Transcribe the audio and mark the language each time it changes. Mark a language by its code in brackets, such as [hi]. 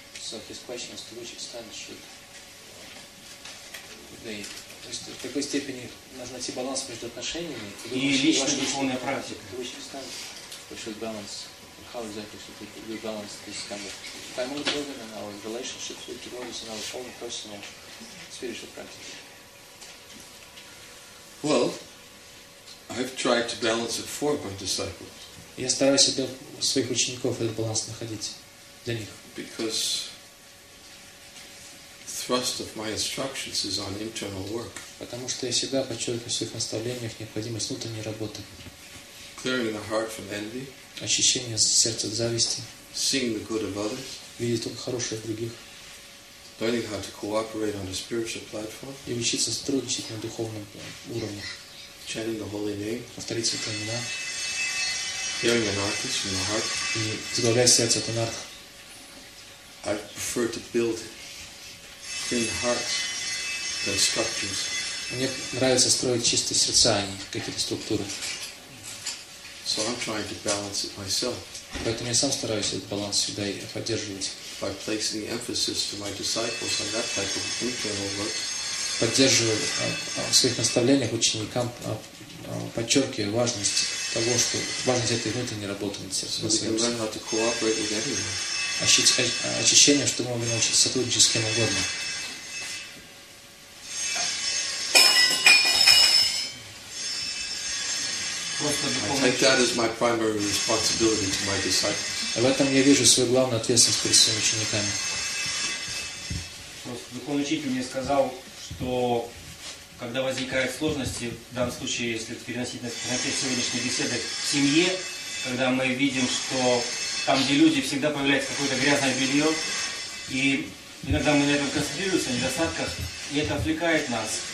[en] So his question is, to which extent should they... [ru] То есть, в какой степени нужно найти баланс между отношениями и личной духовной практикой? [en] We should balance. How exactly should we balance this kind of family building and our relationships with devotees and our own personal spiritual practice? Well, I've tried to balance it for my disciples. [ru] Я стараюсь для своих учеников этот баланс находить для них. [en] Because thrust of my instructions is on internal work. [ru] Потому что я всегда подчеркиваю в своих наставлениях необходимость внутренней работы. [en] Clearing the heart from envy. [ru] Очищение сердца от зависти. [en] Seeing the good of others. [ru] Видеть только хорошее в других. [en] Learning how to cooperate on a spiritual platform. [ru] И учиться сотрудничать на духовном уровне. [en] Chanting the holy name. [ru] Повторить святые имена. [en] Hearing anarthas from the heart. [ru] И заглавляя сердце от анарх. [en] I prefer to build clean hearts than structures. [ru] Мне нравится строить чистые сердца, а не какие-то структуры. [en] So I'm trying to balance it myself. [ru] Поэтому я сам стараюсь этот баланс всегда поддерживать. [en] By placing the emphasis to my disciples on that type of internal work. [ru] Поддерживаю в своих наставлениях ученикам, подчеркиваю важность того, что важность этой внутренней работы над сердцем. [en] So we can learn how to cooperate with everyone. [ru] Очищение, что мы можем научиться сотрудничать с кем угодно. [en] I take that as my primary responsibility to my disciples. [ru] В этом я вижу свою главную ответственность перед своими учениками. Просто духовный учитель мне сказал, что когда возникают сложности, в данном случае, если переносить на контекст сегодняшней беседы, в семье, когда мы видим, что там, где люди, всегда появляется какое-то грязное белье, и иногда мы на этом концентрируемся, на недостатках, и это отвлекает нас.